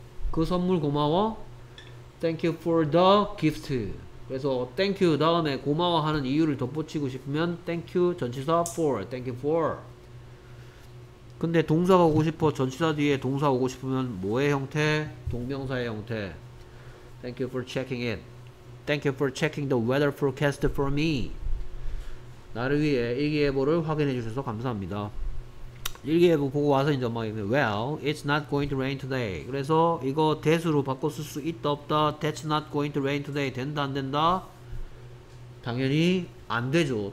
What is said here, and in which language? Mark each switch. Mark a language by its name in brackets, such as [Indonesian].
[Korean] 그 선물 고마워. [English] Thank you for the gift. [Korean] 그래서 thank you 다음에 고마워 하는 이유를 덧붙이고 싶으면 thank you 전치사 for, thank you for. 근데 동사가 오고 싶어 전치사 뒤에 동사 오고 싶으면 뭐의 형태? 동명사의 형태. [English] Thank you for checking it. Thank you for checking the weather forecast for me. [Korean] 나를 위해 일기예보를 확인해 주셔서 감사합니다. 일기예보 보고 와서 이제 막 [English] well, it's not going to rain today. [Korean] 그래서 이거 that으로 바꿔 쓸 수 있다 없다. [English] That's not going to rain today. [Korean] 된다 안 된다? 당연히 안 되죠.